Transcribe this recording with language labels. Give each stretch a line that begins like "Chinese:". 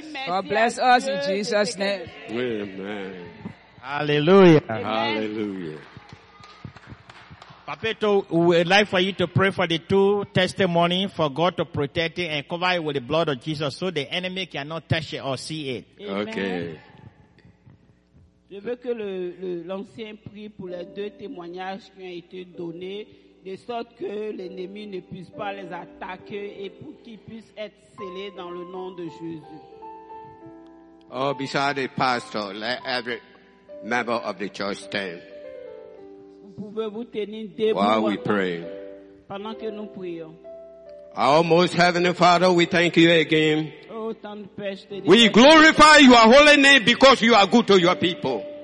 English: God bless us in Jesus' name. Amen. Hallelujah. Amen. Hallelujah. Papeto, we would like for you to pray for the two testimonies for God to protect it and cover it with the blood of Jesus so the enemy cannot touch it or see it. Amen. Okay.
French: Je veux que l'ancien prie pour les deux témoignages qui ont été donnés de sorte que l'ennemi ne puisse pas les attaquer et pour qu'ils puissent être scellés dans le nom de Jésus.
English: Oh, beside the pastor, let every member of the church stand.
French: Pouvez-vous tenir debout
English: while we pray.
French: Pendant que nous prions.
English: Our most heavenly Father, we thank you again. Oh, tant de peste de we glorify your holy name because you are good to your people.